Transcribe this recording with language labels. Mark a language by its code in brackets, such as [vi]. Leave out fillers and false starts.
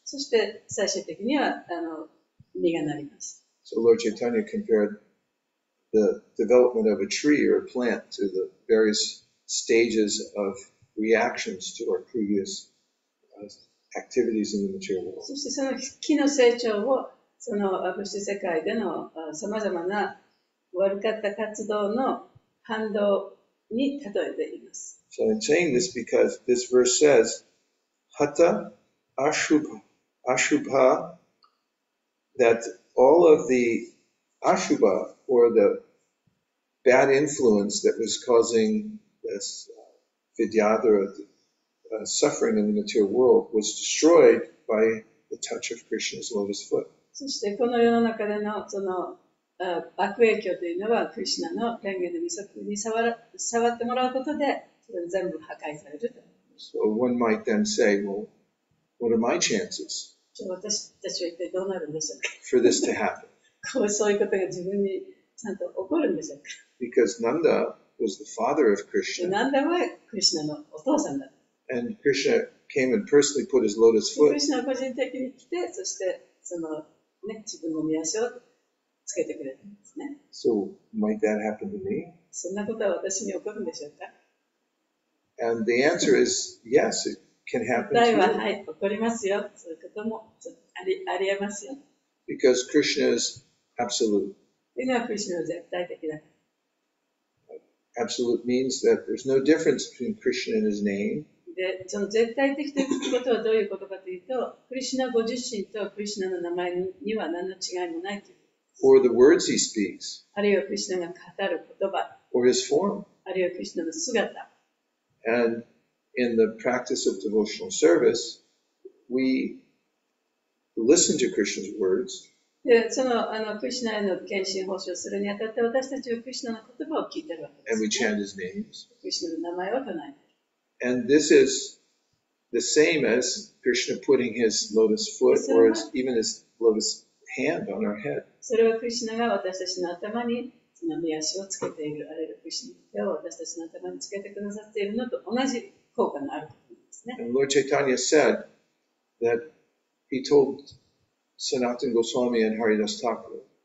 [ja] そして最終的には実がなります。 [en] So Lord Chaitanya compared. The development of a tree or a plant to the various stages of reactions to our previous activities in the material world. [ja] そしてその木の成長をその物質世界でのさまざまな悪かった活動の反動に例えています。 [en] So I'm saying this because this verse says, "Hata ashubha," that all of the ashubha or the bad influence that was causing this vidyadhara suffering in the material world was destroyed by the touch of Krishna's lotus foot. [ja] そしてこの世の中でのその悪影響というのはクリシュナの蓮華の御足に触ってもらうことで全部破壊されると。 [en] So one might then say, well, what are my chances? [ja] じゃあ私たちは一体どうなるんでしょうか? [en] For this to happen. [ja] こうそういうことが自分にちゃんと起こるんでしょうか? [en] Because Nanda was the father of Krishna. [ja] Nanda はクリシュナのお父さんだ。 [en] And Krishna came and personally put his lotus foot. [ja] クリシュナ個人的に来て、そしてそのね自分の御足をつけてくれたんですね。 [en] So might that happen to me? [ja] そんなことは私に起こるんでしょうか? [en] And the answer is yes, it can happen. [ja] 答えははい、起こりますよ。そういうこともありえますよ。 [en] Because Krishna is absolute. [ja] というのはクリシュナは絶対的だ。 [en] Absolute means that there's no difference between Krishna and his name. [ja] で、その絶対的ということはどういうことかというと、クリシュナご自身とクリシュナの名前には何の違いもないという。 [en] Or the words he speaks. [ja] あるいはクリシュナが語る言葉。 [en] Or his form. [ja] あるいはクリシュナの姿。 [en] And in the practice of devotional service, we listen to Krishna's words. [ja] そのクリシュナへの献身奉仕をするにあたって私たちはクリシュナの言葉を聞いているわけです、ね。 [en] And we chant his names. [ja] クリシュナの名前を唱えている。 [en] And this is the same as Krishna putting his lotus foot or even his lotus hand on our head. [ja] それはクリシュナが私たちの頭にその御足をつけている、あるいはクリシュナが手を私たちの頭につけてくださっているのと同じ効果があるということですね。 [en] And Lord Chaitanya said that he told Sanatana Goswami and Haridas Thakur.